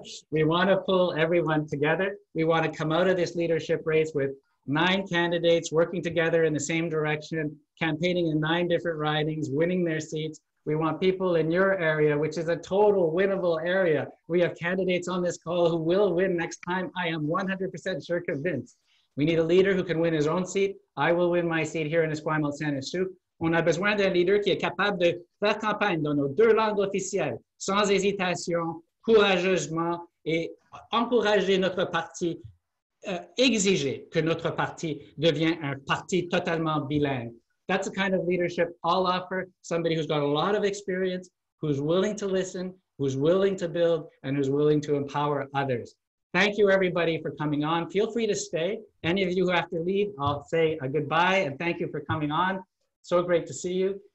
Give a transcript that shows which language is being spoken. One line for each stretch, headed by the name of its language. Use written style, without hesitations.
English: We want to pull everyone together. We want to come out of this leadership race with 9 candidates working together in the same direction, campaigning in 9 different ridings, winning their seats. We want people in your area, which is a total winnable area. We have candidates on this call who will win next time. I am 100% sure convinced. We need a leader who can win his own seat. I will win my seat here in Esquimalt Saint-Anne-Sault.
French: On a besoin d'un leader qui est capable de faire campagne dans nos 2 langues officielles, sans hésitation, courageusement, et encourager notre parti, exiger que notre parti devienne un parti totalement bilingue.
English: That's the kind of leadership I'll offer, somebody who's got a lot of experience, who's willing to listen, who's willing to build, and who's willing to empower others. Thank you, everybody, for coming on. Feel free to stay. Any of you who have to leave, I'll say a goodbye, and thank you for coming on. So great to see you.